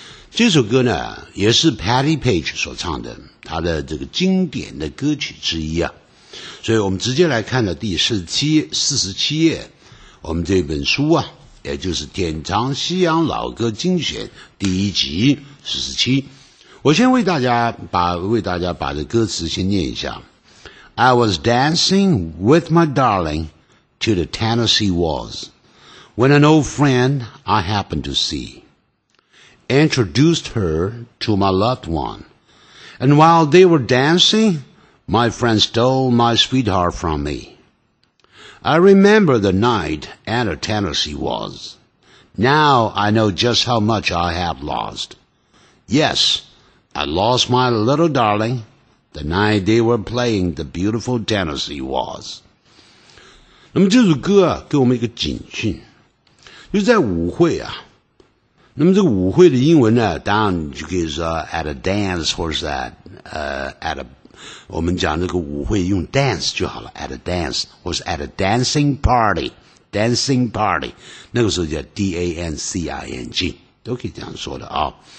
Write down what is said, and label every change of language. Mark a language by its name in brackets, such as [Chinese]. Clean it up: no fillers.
[Chinese] 这首歌呢也是 Patti Page 所唱的，他的这个经典的歌曲之一啊。所以我们直接来看的第47页，我们这本书啊，也就是典藏西洋老歌精选第一集47。我先为大家把这歌词先念一下。 [English] I was dancing with my darling to the Tennessee Waltz when an old friend I happened to see introduced her to my loved one. And while they were dancing, my friend stole my sweetheart from me. I remember the night at the Tennessee Waltz. Now I know just how much I have lost. Yes, I lost my little darling. The night they were playing the beautiful Tennessee Waltz。 [Chinese] 那么这首歌啊，给我们一个警讯，就是在舞会啊。那么这个舞会的英文呢，当然你就可以说 [English] at a dance [Chinese] 或者是 at a 我们讲这个舞会用 dance 就好了， at a dance 或是 at a dancing party， dancing party 那个时候叫 dancing 都可以这样说的啊。